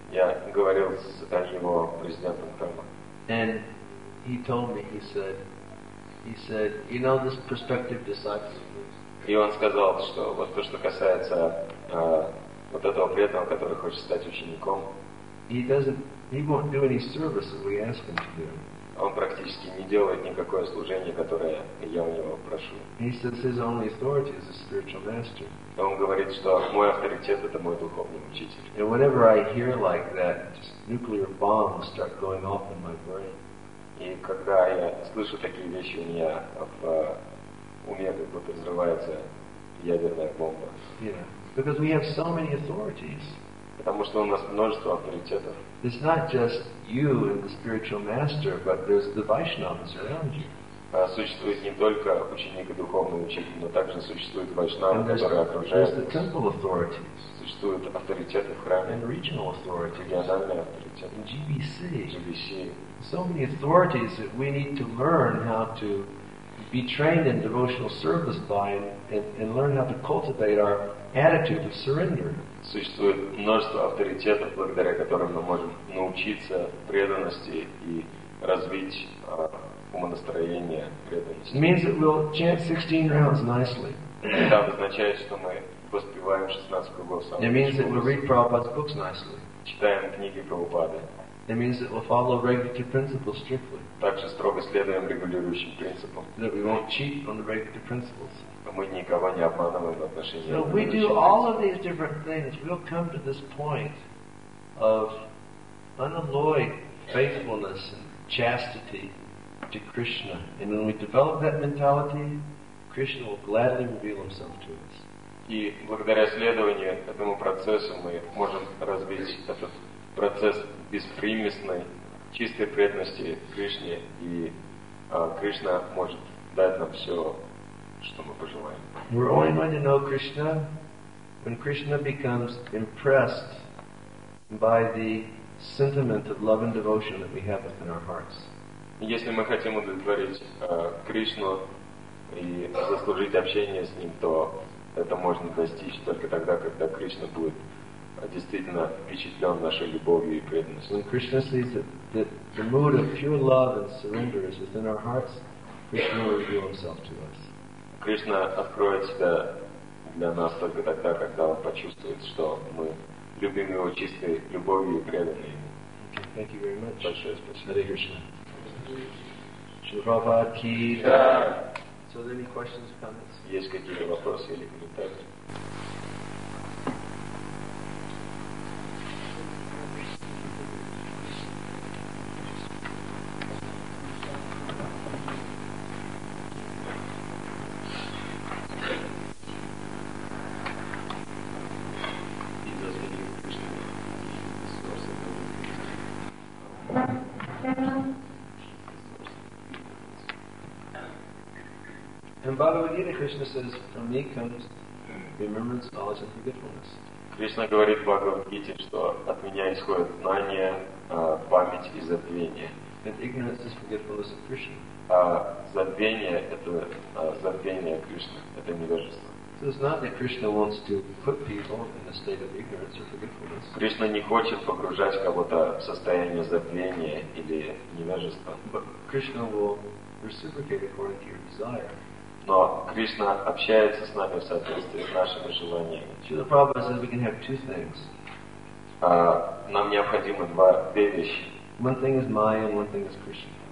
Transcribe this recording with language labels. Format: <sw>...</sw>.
<ru>Я говорил с его президентом храма.</ru> <en>And he told me, he said, you know, this prospective disciple.</en> <ru>И он сказал, что вот то, что касается вот этого преданного, который хочет стать учеником.</ru> <en>He won't do any service that we ask him to do.</en> <ru>Он практически не делает никакое служение, которое я у него прошу.</ru> <en>He says his only authority is a spiritual master.</en> <ru>Он говорит, что мой авторитет — это мой духовный учитель.</ru> <en>And whenever I hear like that, just nuclear bombs start going off in my brain.</en> <ru>И когда я слышу такие вещи, у меня в уме как будто взрывается ядерная бомба.</ru> <en>Yeah. Because we have so many authorities.</en> <ru>Потому что у нас множество авторитетов.</ru> <en>It's not just you and the spiritual master, but there's the Vaishnavas around you.</en> <ru>Существует не только ученик и духовный учитель, но также существует вайшнавы, которые окружают. Существуют авторитеты в храме, региональные авторитеты,</ru> <en>GBC. So many authorities that we need to learn how to be trained in devotional service by and learn how to cultivate our attitude of surrender.</en> <ru>Существует множество авторитетов, благодаря которым мы можем научиться преданности и развить умонастроение, преданность.</ru> <en>It means that we'll chant 16 rounds nicely.</en> <ru>Это означает, что мы воспеваем 16 кругов самым лучшим.</ru> <en>It means that we'll read Prabhupada's books nicely.</en> <ru>Читаем книги Прабхупады.</ru> <en>It means that we'll follow regulative principles strictly.</en> <ru>Также строго следуем регулирующим принципам.</ru> <en>That we won't cheat on the regulative principles.</en> <ru>Мы никого не обманываем в отношении.</ru> <en>So if we do all of these different things, we'll come to this point of unalloyed faithfulness and chastity to Krishna. And when we develop that mentality, Krishna will gladly reveal himself to us.</en> <ru>И благодаря следованию этому процессу мы можем развить этот процесс беспримесной, чистой преданности Кришне, и Кришна может дать нам все, что мы пожелаем.</ru> <en>We're only going to know Krishna when Krishna becomes impressed by the sentiment of love and devotion that we have within our hearts.</en> <ru>Если мы хотим удовлетворить Кришну и заслужить общение с Ним, то это можно достичь только тогда, когда Кришна будет действительно впечатлен нашей любовью и преданностью.</ru> <en>When Krishna sees that the mood of pure love and surrender is within our hearts, Krishna will reveal Himself to us.</en> <ru>Кришна откроет себя для нас только тогда, когда Он почувствует, что мы любим Его чистой любовью и преданной Ему.</ru> <en>Thank you very much.</en> <ru>Большое спасибо. Hare Krishna. Шурава ки да.</ru> <en>So there any questions or comments?</en> <ru>Есть какие-то вопросы или комментарии?</ru> <en>And Bhagavad Gita, Krishna says, from me comes remembrance, knowledge, and forgetfulness.</en> <ru>Кришна говорит в Бхагавад-гите, что от меня исходят знания, память и забвение.</ru> <en>That ignorance is forgetfulness of Krishna.</en> <ru>А забвение – это забвение Кришны, это невежество.</ru> <en>So it's not that Krishna wants to put people in a state of ignorance or forgetfulness.</en> <ru>Кришна не хочет погружать кого-то в состояние забвения или невежества.</ru> <en>But Krishna will reciprocate according to your desire.</en> <ru>Но Кришна общается с нами в соответствии с нашими желаниями.</ru> <en>So the problem is that we can have two things.</en> <ru>Нам необходимы две вещи.</ru> <en>One thing is Maya and one thing is Krishna.</en>